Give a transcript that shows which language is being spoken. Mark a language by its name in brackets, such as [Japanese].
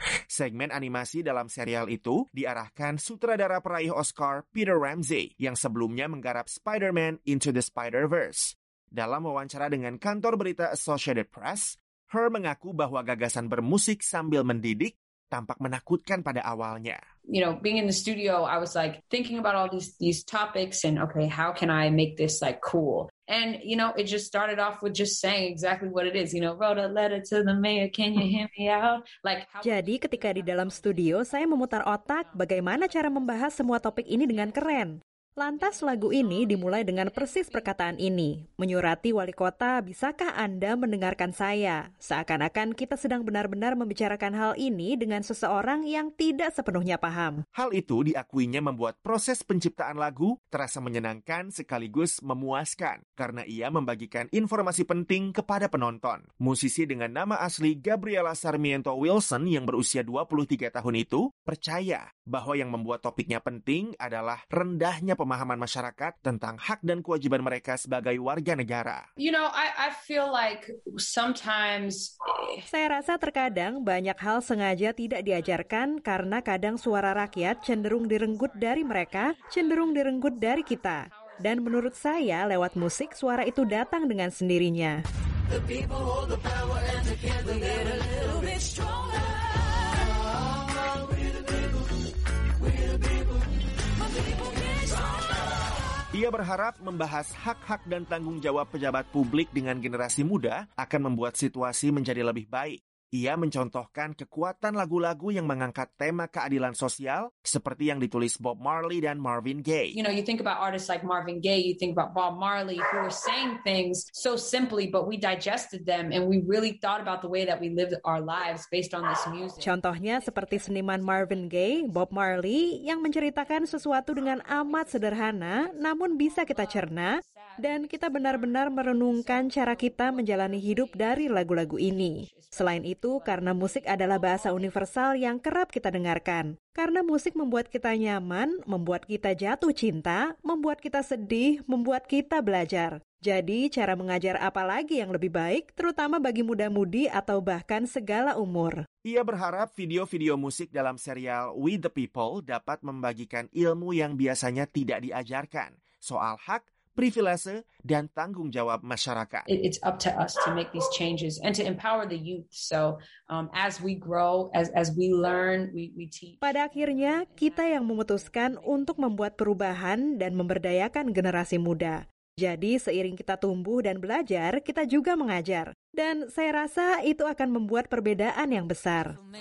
[Indonesian] Segmen animasi dalam serial itu diarahkan sutradara peraih Oscar Peter Ramsey yang sebelumnya menggarap Spider-Man Into the Spider-Verse. Dalam wawancara dengan kantor berita Associated Press, Her mengaku bahwa gagasan bermusik sambil mendidik tampak menakutkan pada awalnya. [English] You know, being in the studio, I was like thinking about all these topics and okay, how can I make this like cool? And you know, it just started off with just saying exactly what it is. You know, wrote a letter to the mayor. Can you hear me out? [Indonesian] Like. Jadi ketika di dalam studio, saya memutar otak bagaimana cara membahas semua topik ini dengan keren. Lantas lagu ini dimulai dengan persis perkataan ini. Menyurati wali kota, bisakah Anda mendengarkan saya? Seakan-akan kita sedang benar-benar membicarakan hal ini dengan seseorang yang tidak sepenuhnya paham. Hal itu diakuinya membuat proses penciptaan lagu terasa menyenangkan sekaligus memuaskan, karena ia membagikan informasi penting kepada penonton. Musisi dengan nama asli Gabriela Sarmiento Wilson yang berusia 23 tahun itu percaya bahwa yang membuat topiknya penting adalah rendahnya pemahaman masyarakat tentang hak dan kewajiban mereka sebagai warga negara. [English] You know, I feel like sometimes. [Indonesian] Saya rasa terkadang banyak hal sengaja tidak diajarkan karena kadang suara rakyat cenderung direnggut dari mereka, cenderung direnggut dari kita. Dan menurut saya, lewat musik suara itu datang dengan sendirinya. [English] The people hold the power and together get a little bit stronger. [Indonesian] Ia berharap membahas hak-hak dan tanggung jawab pejabat publik dengan generasi muda akan membuat situasi menjadi lebih baik. Ia mencontohkan kekuatan lagu-lagu yang mengangkat tema keadilan sosial seperti yang ditulis Bob Marley dan Marvin Gaye. [English] You know, you think about artists like Marvin Gaye, you think about Bob Marley, who were saying things so simply, but we digested them and we really thought about the way that we lived our lives based on this music. [Indonesian] Contohnya seperti seniman Marvin Gaye, Bob Marley, yang menceritakan sesuatu dengan amat sederhana, namun bisa kita cerna, dan kita benar-benar merenungkan cara kita menjalani hidup dari lagu-lagu ini. Selain itu, karena musik adalah bahasa universal yang kerap kita dengarkan. Karena musik membuat kita nyaman, membuat kita jatuh cinta, membuat kita sedih, membuat kita belajar. Jadi, cara mengajar apa lagi yang lebih baik, terutama bagi muda-mudi atau bahkan segala umur. Ia berharap video-video musik dalam serial We the People dapat membagikan ilmu yang biasanya tidak diajarkan, soal hak, privilege dan tanggung jawab masyarakat. [English] It's up to us to make these changes and to empower the youth. So, as we grow, as we learn, we teach. [Indonesian] Pada akhirnya, kita yang memutuskan untuk membuat perubahan dan memberdayakan generasi muda. Jadi, seiring kita tumbuh dan belajar, kita juga mengajar. Dan saya rasa itu akan membuat perbedaan yang besar.